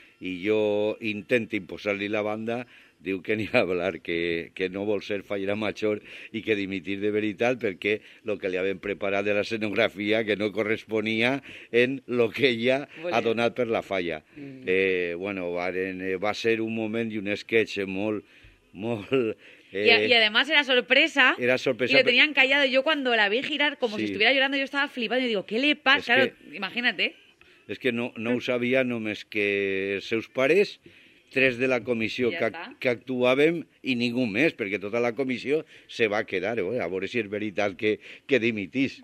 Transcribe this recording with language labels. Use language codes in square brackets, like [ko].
[ca] i jo intento imposar-li la banda, diu que [es] ni a hablar, [ca] que no vol ser fallera major i que dimitir de veritat, perquè el que li havien preparat de la escenografia que no corresponia en el que ella ha donat per la falla. Va ser un moment i un sketch molt... [es] Y además era sorpresa. Y lo tenían callado. Yo cuando la vi girar, como sí. Si estuviera llorando, yo estaba flipando. Y digo, ¿qué le pasa? Claro, imagínate. [ca] Es que no ho sabia només que els seus pares, tres de la comissió que actuàvem, i ningú més, perquè tota la comissió se va quedar. A veure si és veritat que dimitís.